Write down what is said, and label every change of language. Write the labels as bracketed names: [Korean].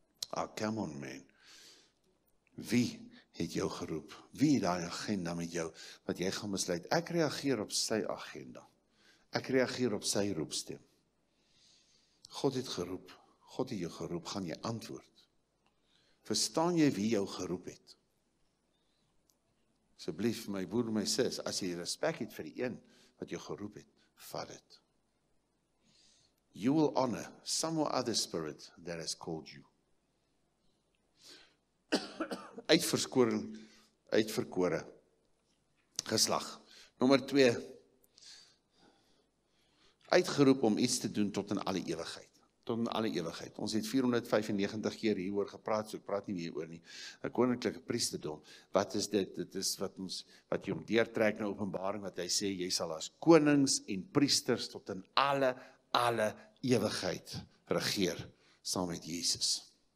[English] Ah, come on man, [Afrikaans] wie het jou geroep, wie het daai agenda met jou, wat jy gaan besluit, ek reageer op sy agenda, ek reageer op sy roepstem. God het geroep, God het jou geroep, gaan jy antwoord? Verstaan jy wie jou geroep het? Asseblief, my broer, my sis, as jy respect het vir die een wat jou geroep het, vat het. [English] You will honor some or other spirit that has called you. [Afrikaans] Uitverskoring, uitverkore geslag. Nommer 2. Uitgeroep om iets te doen tot in alle ewigheid. Tot in alle ewigheid. Ons het 495 keer hieroor gepraat, so ek praat nie meer oor nie. 'N koninklike priesterdom. Wat is dit? Dit is wat ons, wat jy om deurtrek na Openbaring, wat hy sê, jy sal as konings en priesters tot in alle ewigheid regeer, saam met Jesus.